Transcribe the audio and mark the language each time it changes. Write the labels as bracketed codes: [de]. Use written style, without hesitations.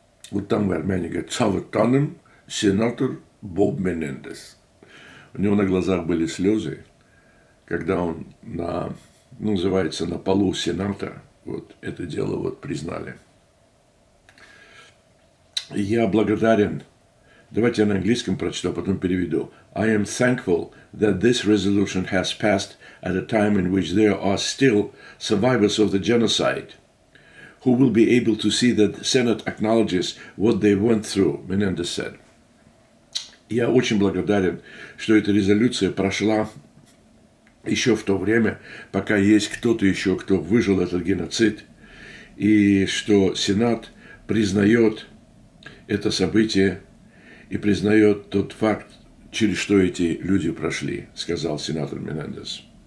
[ru] Вот там в Армении говорят, Цаватанен, сенатор Боб Менендес. У него на глазах были слезы, когда он на, ну, называется, на полу сената, вот это дело вот признали. Я благодарен. Давайте я на английском прочитаю, потом переведу. [en] I am thankful that this resolution has passed at a time in which there are still survivors of the genocide who will be able to see that the Senate acknowledges what they went through, Menendez said. [ru] Я очень благодарен, что эта резолюция прошла еще в то время, пока есть кто-то еще, кто выжил этот геноцид, и что Сенат признает это событие и признает тот факт, через что эти люди прошли, сказал сенатор Менендес.